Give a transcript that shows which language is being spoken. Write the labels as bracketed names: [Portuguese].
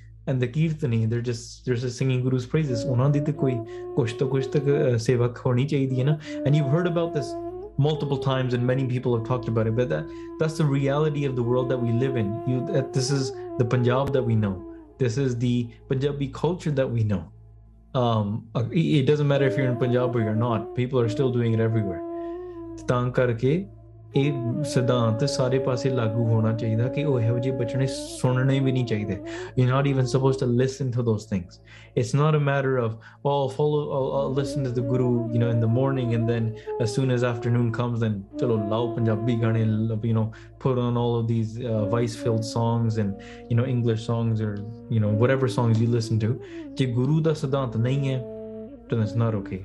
[English] And the kirtani, they're just singing Guru's praises. And you've heard about this multiple times, and many people have talked about it. But that's the reality of the world that we live in. This is the Punjab that we know. This is the Punjabi culture that we know. It doesn't matter if you're in Punjab or you're not. People are still doing it everywhere. [Punjabi] ਤਾਂ ਕਰਕੇ ਇਹ ਸਿਧਾਂਤ ਸਾਰੇ ਪਾਸੇ ਲਾਗੂ ਹੋਣਾ ਚਾਹੀਦਾ ਕਿ ਉਹ ਇਹੋ ਜਿਹੇ ਬਚਣੇ ਸੁਣਨੇ ਵੀ ਨਹੀਂ ਚਾਹੀਦੇ. [English] You're not even supposed to listen to those things. It's not a matter of, well, I'll listen to the guru, in the morning, and then as soon as afternoon comes, then [Punjabi] ਚਲੋ ਲਾਓ ਪੰਜਾਬੀ ਗਾਣੇ, [English] put on all of these vice-filled songs and, English songs or, whatever songs you listen to. [Punjabi] ਜੇ ਗੁਰੂ ਦਾ ਸਿਧਾਂਤ ਨਹੀਂ ਹੈ, [English] then it's not okay.